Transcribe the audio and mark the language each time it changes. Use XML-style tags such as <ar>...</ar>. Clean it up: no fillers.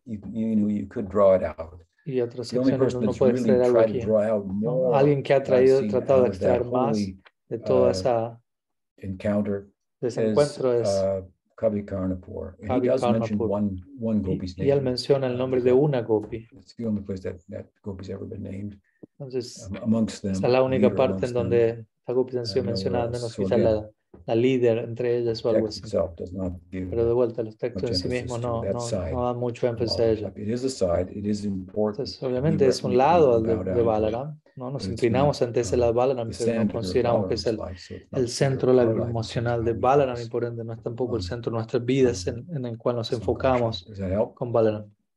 <en>You could draw it out.</en> <es>Y otras secciones uno puede extraer algo aquí. Alguien que ha tratado de extraer más de toda esa</es> <en>encounter.</en> <es>Desencuentro es</es> <en>Kavi Karnapur. He does mention one gopi's name.</en> <es>Y él menciona el nombre de una gopi.</es> <en>It's the only place that gopi's ever been named.</en> <es>Entonces,</es> <en>amongst them,</en> <es>esa es la única parte en donde esta gopi ha sido mencionada, menos so quizá la líder entre ellas o algo así. Pero de vuelta, los textos en sí mismos no dan mucho énfasis a ella.</es> <en>It is a side, it is important.</en> <es>Entonces, obviamente es un lado de Balaram. No nos inclinamos ante ese lado de Balaram, pero no consideramos que es el centro emocional de Balaram y por ende no es tampoco el centro de nuestras vidas en el cual nos enfocamos con Balaram.</es>